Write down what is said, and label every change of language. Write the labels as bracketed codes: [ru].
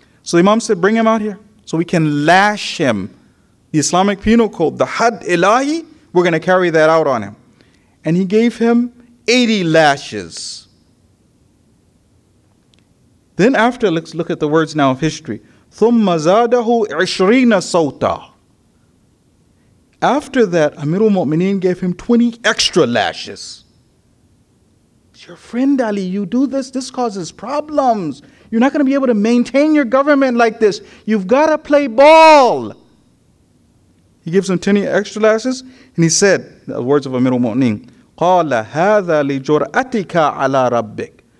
[en] So the Imam said, bring him out here so we can lash him. The Islamic penal code, the Had Ilahi, we're going to carry that out on him. And he gave him 80 lashes. Then after, let's look at the words now of history. [ar] ثُمَّ زَادَهُ 20 sawta. [en] After that, Amir al-Mu'mineen gave him 20 extra lashes. Your friend Ali, you do this, this causes problems. You're not going to be able to maintain your government like this. You've got to play ball. He gives him 10 extra lashes, and he said, the words of Amir al-Mu'mineen, [ar] قَالَ هَذَا لِجُرْأَتِكَ عَلَىٰ رَبِّكَ.